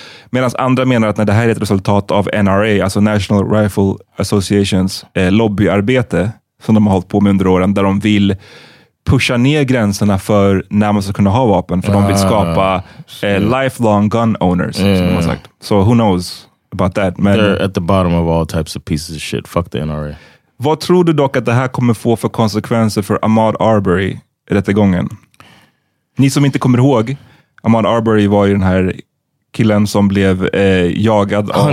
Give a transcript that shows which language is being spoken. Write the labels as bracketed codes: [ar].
[sv] Medan andra menar att när det här är ett resultat av NRA, alltså National Rifle Associations lobbyarbete som de har hållit på med under åren, där de vill pusha ner gränserna för när man ska kunna ha vapen, för de vill skapa [en] lifelong gun owners, [sv] som de har sagt. [en] So who knows about that. [sv] Men, [en] they're at the bottom of all types of pieces of shit. Fuck the NRA. [sv] Vad tror du dock att det här kommer få för konsekvenser för Ahmaud Arbery i detta gången? Ni som inte kommer ihåg, Ahmaud Arbery var ju den här killen som blev jagad av...